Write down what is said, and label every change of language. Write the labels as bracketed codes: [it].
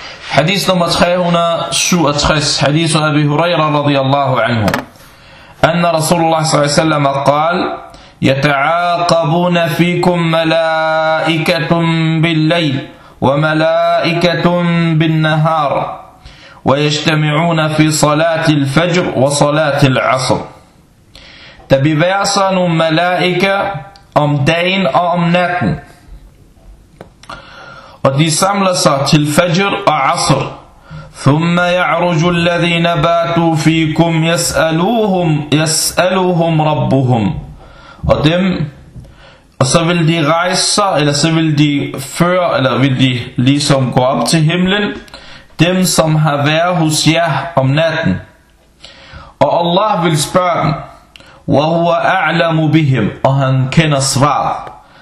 [da] Hadith nummer 367, hadith af [ar] Abi Huraira radiyallahu anhu, anna Rasulullah sallallahu alaihi wasallam qal, yata'aqabuna fikum malaikatum billayl وملائكة بالنهار ويجتمعون في صلاة الفجر وصلاة العصر. [da] Der bevæger sig nogle malaiker om dagen og om natten, og de samler sig til fajr og asr. [ar] ثم يعرج الذين باتوا فيكم يسألهم ربهم. [da] Og dem, og så vil de rejse sig, eller så vil de føre, eller vil de ligesom gå op til himlen, dem som har været hos jer om natten. Og Allah vil spørge dem, [ar] وَهُوَ أَعْلَمُ بِهِمْ, [da] og han kender svar.